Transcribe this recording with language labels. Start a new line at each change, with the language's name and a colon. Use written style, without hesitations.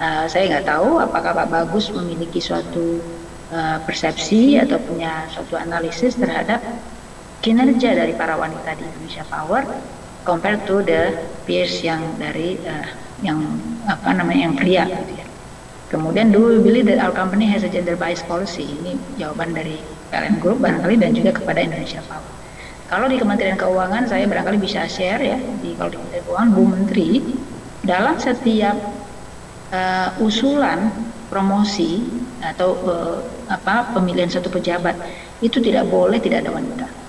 Indonesian: Saya nggak tahu apakah Pak Bagus memiliki suatu persepsi atau punya suatu analisis terhadap kinerja dari para wanita di Indonesia Power
English: compared to the peers
Indonesian: yang dari yang pria. Kemudian,
English: do we believe that our company has a gender bias policy?
Indonesian: Ini jawaban dari PLN Group barangkali dan juga kepada Indonesia Power. Kalau di Kementerian Keuangan, saya barangkali bisa share ya, kalau di Kementerian Keuangan, Bu Menteri, dalam setiap usulan promosi atau pemilihan satu pejabat itu tidak boleh tidak ada wanita.